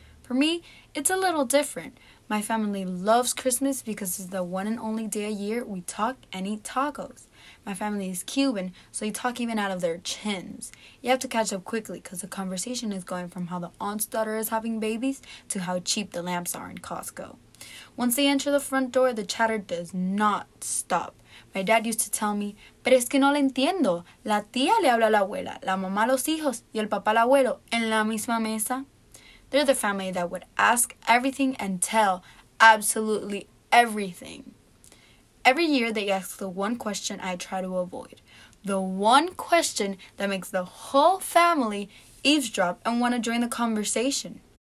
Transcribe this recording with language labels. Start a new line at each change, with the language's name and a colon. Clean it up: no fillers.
English: For me, it's a little different. My family loves Christmas because it's the one and only day a year we talk and eat tacos. My family is Cuban, so they talk even out of their chins. You have to catch up quickly because the conversation is going from how the aunt's daughter is having babies to how cheap the lamps are in Costco. Once they enter the front door, the chatter does not stop. My dad used to tell me,
Spanish: pero es que no le entiendo. La tía le habla a la abuela, la mamá a los hijos y el papá al abuelo en la misma mesa.
English: They're the family that would ask everything and tell absolutely everything. Every year they ask the one question I try to avoid. The one question that makes the whole family eavesdrop and want to join the conversation.